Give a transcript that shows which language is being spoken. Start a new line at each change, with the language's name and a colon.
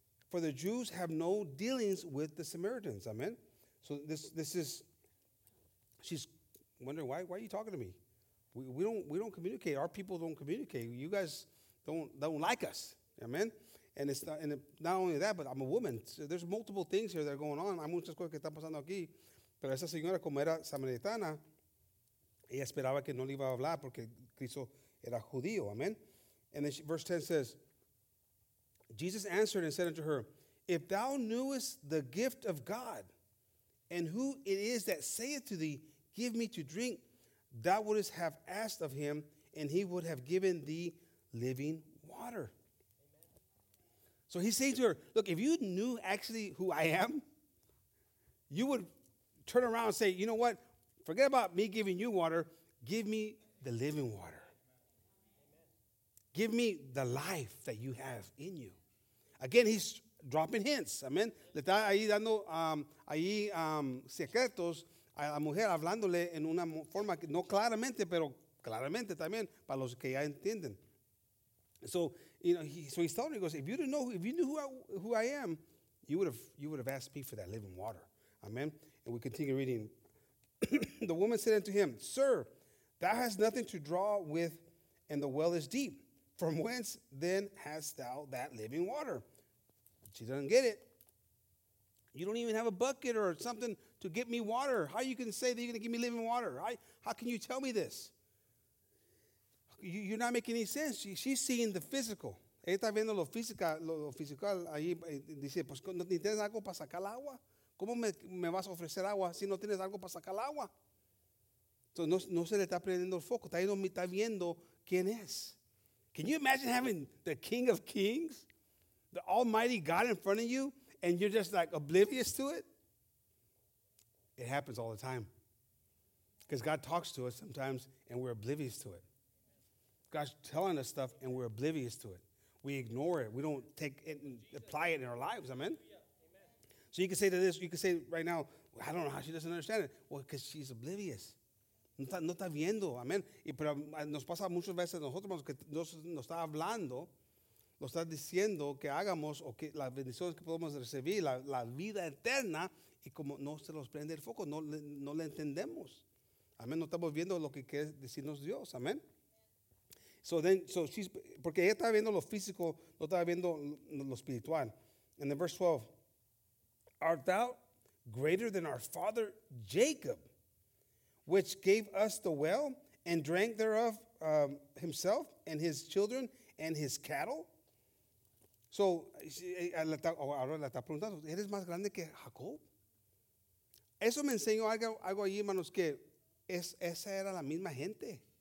English: For the Jews have no dealings with the Samaritans. Amen. So this is, she's wondering, why are you talking to me? We don't communicate. Our people don't communicate. You guys don't like us. Amen. And it's not, not only that, but I'm a woman. So there's multiple things here that are going on.
Spanish: Hay muchas cosas que están pasando aquí. Pero esa señora, como era samaritana, ella esperaba que no le iba a hablar porque Cristo era judío. Amen.
English: And then verse 10 says, Jesus answered and said unto her, if thou knewest the gift of God, and who it is that saith to thee, give me to drink, thou wouldest have asked of him, and he would have given thee living water. So he's saying to her, look, if you knew actually who I am, you would turn around and say, you know what? Forget about me giving you water. Give me the living water. Give me the life that you have in you. Again, he's dropping hints. Amen.
Spanish: Le está ahí dando ahí secretos a la mujer, hablándole en una forma, no claramente, pero claramente también, para los que ya entienden.
English: So, he's telling me, he goes, if you knew who I am, you would have asked me for that living water. Amen. And we continue reading. The woman said unto him, sir, thou hast nothing to draw with, and the well is deep. From whence then hast thou that living water? She doesn't get it. You don't even have a bucket or something to get me water. How you can say that you're going to give me living water? How can you tell me this? You're not making any sense. She's seeing the physical.
Spanish: Ella está viendo lo físico ahí. Dice, pues no tienes algo para sacar el agua. ¿Cómo me vas a ofrecer agua si no tienes algo para sacar el agua? Entonces no se le está prendiendo el foco. Está viendo quién es.
English: Can you imagine having the King of Kings, the Almighty God in front of you, and you're just like oblivious to it? It happens all the time. Because God talks to us sometimes and we're oblivious to it. God's telling us stuff and we're oblivious to it. We ignore it. We don't take it and apply it in our lives. Amen? So you can say to this, you can say right now, well, I don't know how she doesn't understand it. Well, because she's oblivious.
Spanish: No está viendo, amén. Pero nos pasa muchas veces a nosotros que nos está hablando, nos está diciendo que hagamos o que las bendiciones que podemos recibir, la vida eterna, y como no se nos prende el foco, no le entendemos. Amén, no estamos viendo lo que quiere decirnos Dios, amén.
English: So she's,
Spanish: porque ella estaba viendo lo físico, no estaba viendo lo espiritual.
English: And then verse 12, art thou greater than our father Jacob, which gave us the well, and drank thereof himself, and his children, and his cattle?
Spanish: So, ahora le está preguntando, ¿eres más grande que Jacob? Eso me enseñó algo allí, hermanos, que esa era la misma gente.